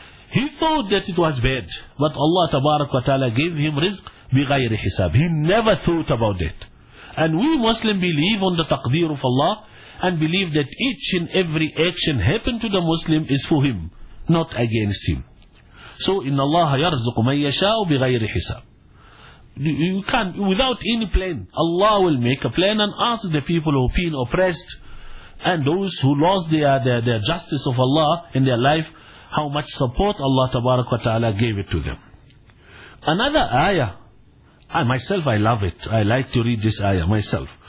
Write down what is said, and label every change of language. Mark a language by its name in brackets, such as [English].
[English] He thought that it was bad, but Allah Tabarak wa Ta'ala gave him rizq bi ghayri hisab. He never thought about that. And we Muslim believe on the taqdeer of Allah, and believe that each and every action happened to the Muslim is for him, not against him. [Arabic] So, إن الله يرزق من يشاء بغير حساب. [English] You can't, without any plan, Allah will make a plan and ask the people who have been oppressed and those who lost their justice of Allah in their life, how much support Allah Tabarak wa Ta'ala gave it to them. Another ayah, I love it. I like to read this ayah myself.